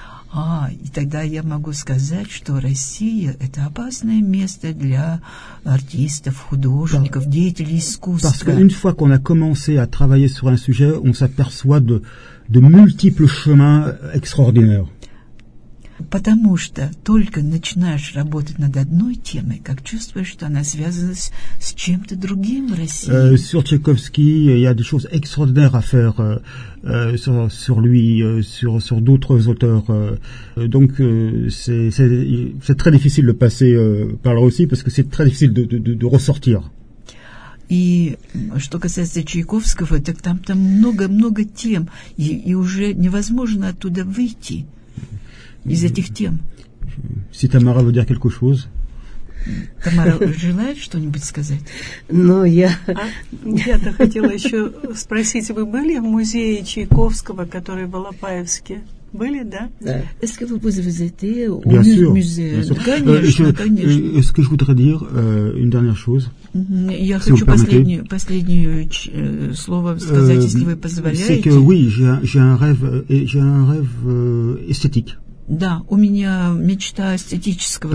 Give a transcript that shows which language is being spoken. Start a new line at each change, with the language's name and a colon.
Russian: А, и тогда я могу сказать, что Россия – это опасное место для артистов, художников, деятелей искусства.
French: Parce qu'une fois qu'on a commencé à travailler sur un sujet, on s'aperçoit de multiples chemins extraordinaires.
Russian: Потому что только начинаешь работать над одной темой, как чувствуешь, что она связана с чем-то другим в России.
French: Sur Tchaïkovski, il y a des choses extraordinaires à faire sur lui, sur d'autres auteurs. Donc c'est très difficile de passer par la Russie parce que c'est très difficile de ressortir.
Russian: И что касается Чайковского, так там много-много тем, и уже невозможно оттуда выйти. Из этих тем.
French: Si Tamara veut dire quelque chose.
Russian: Tamara желает что-нибудь сказать? Ну, я... Я-то хотела еще спросить, вы были в музее Чайковского, который в Алапаевске? Были, да? Да.
French: Est-ce que vous pouvez visiter au musée?
Russian: Конечно, конечно.
French: Est-ce que je voudrais dire une dernière chose?
Russian: Я хочу последнее слово сказать, если вы позволяете.
French: C'est que oui, j'ai un rêve esthétique.
Russian: Да, у меня мечта эстетического